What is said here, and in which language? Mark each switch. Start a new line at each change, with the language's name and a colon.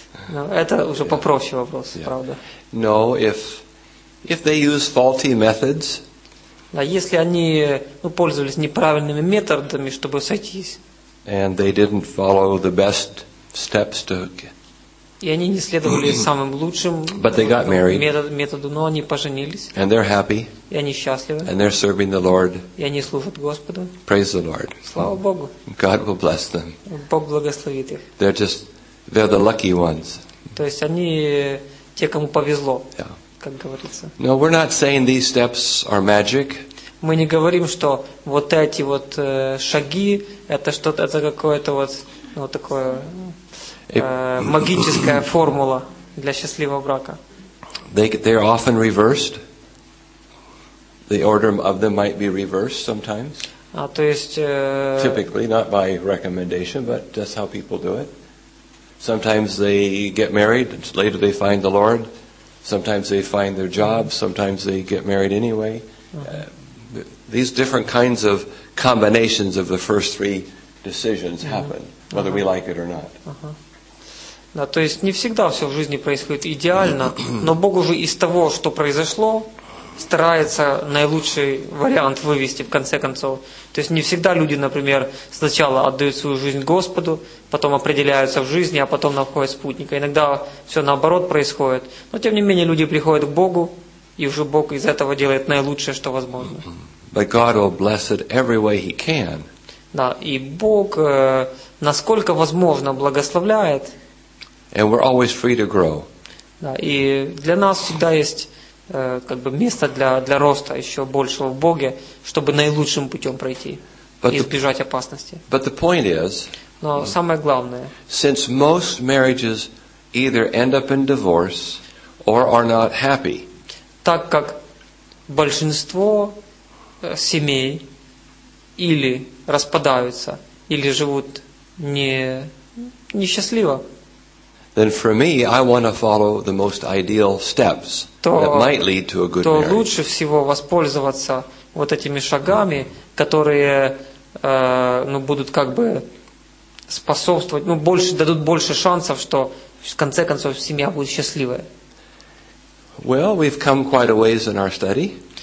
Russian: Это уже попроще вопрос, правда.
English: No, if they use faulty methods.
Russian: А если они пользовались неправильными методами, чтобы сойтись.
English: And they didn't follow the best steps to
Russian: И они не следовали самым лучшим методу, но они поженились.
English: And they're happy.
Russian: И они счастливы.
English: And they're serving the Lord.
Russian: И они служат Господу.
English: Praise the Lord.
Russian: Слава Богу.
English: God will bless them.
Russian: Бог благословит их.
English: They're the lucky ones.
Russian: То есть они те, кому повезло.
English: Yeah.
Russian: Как говорится.
English: No, we're not saying these steps are magic.
Russian: Мы не говорим, что вот эти вот шаги это что-то, это какое-то вот, ну, такое магическая формула для счастливого брака.
English: They're often reversed. The order of them might be reversed sometimes.
Russian: А то есть
English: typically not by recommendation, but that's how people do it. Sometimes they get married, later they find the Lord. Sometimes they find their job, sometimes they get married anyway. These different kinds of combinations of the first three decisions happen, whether we like it or not.
Russian: Да, то есть не всегда все в жизни происходит идеально, но Бог уже из того, что произошло, старается наилучший вариант вывести в конце концов. То есть не всегда люди, например, сначала отдают свою жизнь Господу, потом определяются в жизни, а потом находят спутника. Иногда все наоборот происходит. Но тем не менее люди приходят к Богу, и уже Бог из этого делает наилучшее, что возможно.
English: But God will bless it every way He can.
Russian: Да, и Бог, насколько возможно, благословляет.
English: And we're always free to grow.
Russian: Да, и для нас всегда есть как бы место для роста еще большего в Боге, чтобы наилучшим путем пройти и избежать опасности.
English: But the point is,
Russian: но самое главное,
English: since most marriages either end up in divorce or are not happy,
Russian: так как большинство семей или распадаются, или живут несчастливо,
English: then for me, I want to follow the most ideal steps that might lead to a good marriage.
Russian: То лучше всего воспользоваться вот этими шагами, которые, ну, будут как бы способствовать, ну, больше, дадут больше шансов, что в конце концов семья будет счастливая.
English: Well, we've come quite a ways in our study.